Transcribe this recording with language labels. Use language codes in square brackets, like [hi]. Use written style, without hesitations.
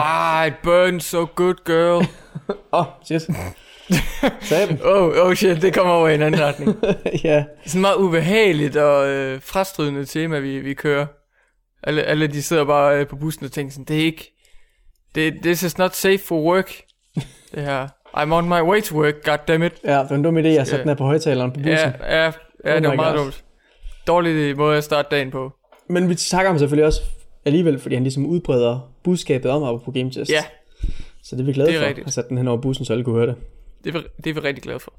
[en] Ah, it burns so good, girl. Oh, shit. [da] Sagde dem. [en] Oh, shit, [da] det kommer over i en anden retning. Ja. Det er sådan meget ubehageligt og frastridende tema, vi kører. Alle de sidder bare på bussen og tænker sådan, det er ikke... [en] This is not safe for work. [da] Det her. [en] I'm on my way to work, goddammit. [da] Ja, det var en dum idé, jeg satte den her på højtaleren på bussen. Ja, det var meget dumt. Dårlig måde at starte dagen på. Men vi takker ham selvfølgelig også alligevel, fordi han ligesom udbreder budskabet om på GameTest. Ja. Så det er vi glade for, rigtigt. At sætte den her over bussen, så alle kunne høre det. Det er vi rigtig glade for.